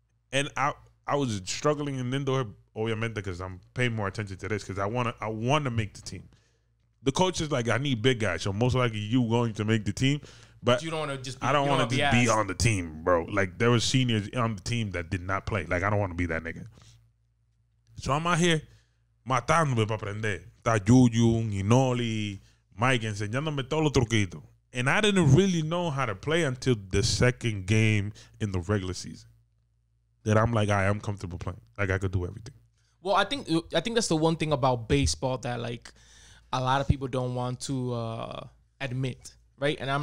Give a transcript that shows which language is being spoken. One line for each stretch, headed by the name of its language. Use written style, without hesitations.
English: And I was struggling in indoor, obviamente, because I'm paying more attention to this, because I want to make the team. The coach is like, I need big guys, so most likely you going to make the team. But you don't want to just be, I don't want to be on the team, bro. Like, there were seniors on the team that did not play. Like, I don't want to be that nigga. So I'm out here
Spanish: matándome para aprender. Está Yuyu, Ginoli, Mike, enseñándome todos los truquitos.
English: And I didn't really know how to play until the second game in the regular season. That I'm like, I am comfortable playing. Like, I could do everything. Well, I think that's the one thing about baseball that, like, a lot of people don't want to admit, right?